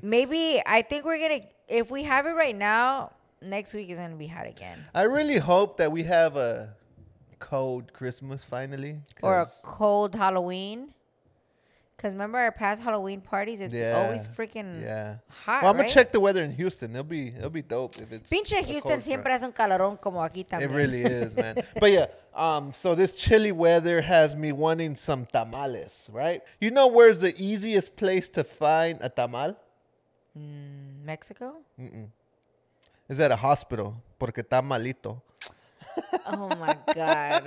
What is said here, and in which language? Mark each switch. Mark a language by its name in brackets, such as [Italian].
[English] Maybe I think we're going to, if we have it right now, next week is going to be hot again. I really hope that we have a cold Christmas finally. Or a cold Halloween. Because remember our past Halloween parties, it's always freaking hot, Well, I'm going to check the weather in Houston. It'll be dope if it's [Spanish] pinche Houston siempre hace un calorón como aquí también. [English] It really is, man. But yeah, so this chilly weather has me wanting some tamales, right? You know where's the easiest place to find a tamal? Mexico? Mm-mm. It's at a hospital. [Spanish] Porque está malito. [English] Oh, my God.